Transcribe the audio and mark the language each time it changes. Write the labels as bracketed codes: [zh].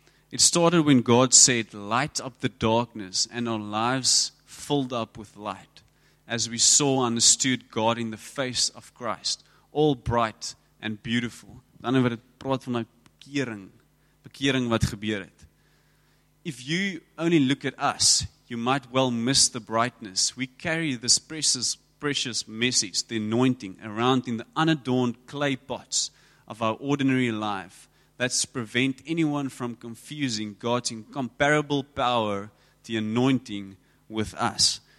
[en] It started when God said, light up the darkness and our lives filled up with light. As we saw, understood God in the face of Christ. all bright and beautiful. [af] Dan het dit praat van 'n bekering. Bekering wat gebeur het. [en] If you only look at us, you might well miss the brightness. We carry this precious message, the anointing, around in the unadorned clay pots of our ordinary life that prevent anyone from confusing God's incomparable power, the anointing, with us.